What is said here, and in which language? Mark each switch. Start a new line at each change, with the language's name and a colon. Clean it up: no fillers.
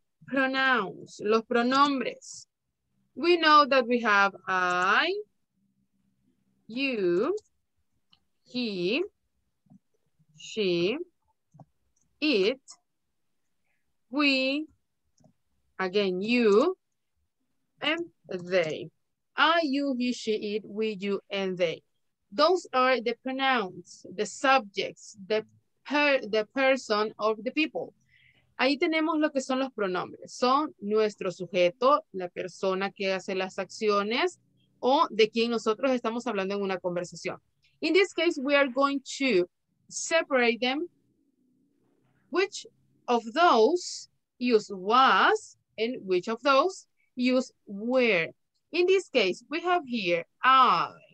English: Pronouns,
Spanish: los pronombres.
English: We know that we have I, you, he, she, it, we, again, you, and they. I, you, he, she, it, we, you, and they. Those are the pronouns, the subjects, the person or the people.
Spanish: Ahí tenemos lo que son los pronombres. Son nuestro sujeto, la persona que hace las acciones, o de quien nosotros estamos hablando en una conversación.
English: In this case, we are going to separate them. Which of those use was and which of those use were? In this case, we have here I.